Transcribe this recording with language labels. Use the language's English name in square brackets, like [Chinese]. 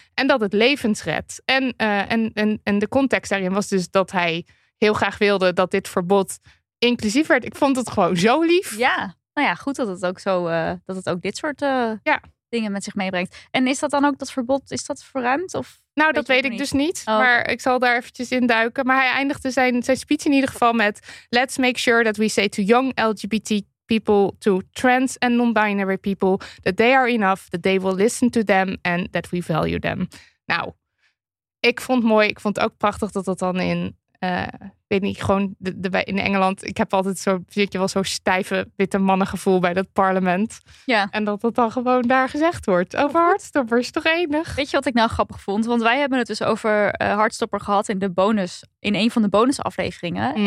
[Dutch] En dat het levens redt. En de context daarin was dus dat hij heel graag wilde dat dit verbod inclusief werd. Ik vond het gewoon zo lief. Ja, nou ja, goed dat het ook zo dat het ook dit soort dingen met zich meebrengt. En is dat dan ook dat verbod, is dat verruimd? Of nou, dat weet ik dus niet. Oh. Maar ik zal daar eventjes in duiken. Maar hij eindigde zijn speech in ieder geval met: [English] let's make sure that we say to young LGBT people, to trans and non-binary people, that they are enough, that they will listen to them and that we value them. [Dutch] Nou, ik vond het mooi. Ik vond het ook prachtig dat dat dan in, weet niet, gewoon in Engeland, ik heb altijd zo, weet je wel, zo stijve witte mannengevoel bij dat parlement. Ja. En dat dat dan gewoon daar gezegd wordt over Hartstoppers, toch enig? Weet je wat ik nou grappig vond? Want wij hebben het dus over Hartstopper gehad in de bonus, in een van de bonusafleveringen. Mm.